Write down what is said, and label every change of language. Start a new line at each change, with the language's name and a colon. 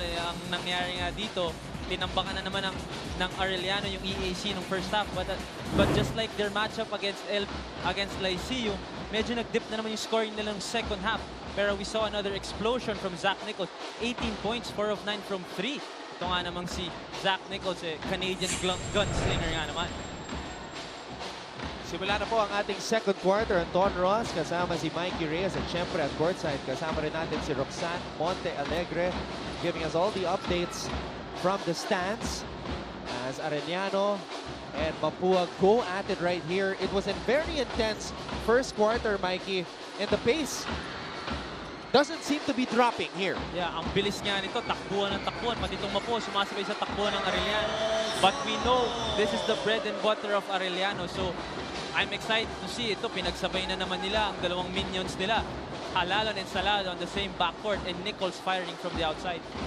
Filipino: Ang nangyari nga dito, tinambakan na naman ng Arellano yung EAC nung first half.
English: But just like their matchup against against Liceo,
Filipino: medyo nag-dip na naman yung scoring nila ng second half.
English: Pero we saw another explosion from Zach Nichols.
Filipino: 18 points, 4 of 9 from 3. Ito nga namang si Zach Nichols, eh, Canadian gunslinger nga naman. Simula na po ang ating second quarter. Anton Ross kasama si Mikey Reyes. At syempre at courtside, kasama rin natin si
English: Roxanne Monte Alegre, giving us all the updates from the stands as Arellano and Mapua go at it right here. It was a very intense first quarter, Mikey. And the pace doesn't seem to be dropping here.
Filipino: Yeah, ang bilis niya nito, takbuhan ng takbuhan. Pati itong Mapua, sumasabay sa takbuhan ng Arellano.
English: But we know this is the bread and butter of Arellano. So I'm excited to see ito.
Filipino: Pinagsabay na naman nila ang dalawang minions nila.
English: Halalan and Salado on the same backcourt and Nichols firing from the outside.